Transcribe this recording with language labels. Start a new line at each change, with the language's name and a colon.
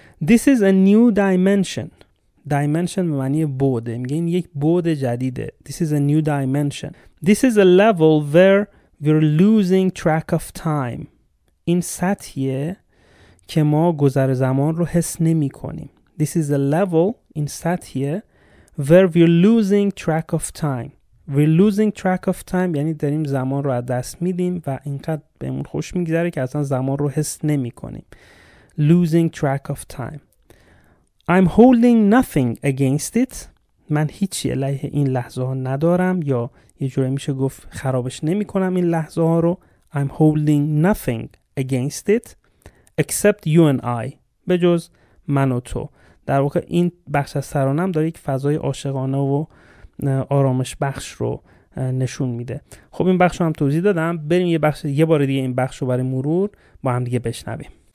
English: This is a new dimension،
Persian: dimension به معنی بوده، میگه این یک بود جدیده.
English: This is a new dimension. This is a level where we're losing track of time،
Persian: این سطحیه که ما گذر زمان رو حس نمی کنیم.
English: This is a level،
Persian: این سطحیه،
English: where we're losing track of time. We're losing track of time
Persian: یعنی داریم زمان رو از دست میدیم و اینقدر بهمون خوش میگذره که اصلا زمان رو حس نمی کنیم.
English: Losing track of time. I'm holding nothing against it.
Persian: من هیچی علیه این لحظه ها ندارم، یا یه جوری میشه گفت خرابش نمی کنم این لحظه ها رو.
English: I'm holding nothing against it except you and I.
Persian: به جز من و تو. در واقع این بخش از سرانم داره یک فضای عاشقانه و آرامش بخش رو نشون میده. خب این بخش رو هم توضیح دادم، بریم یه بار دیگه این بخش رو برای مرور با هم دیگه بشنویم.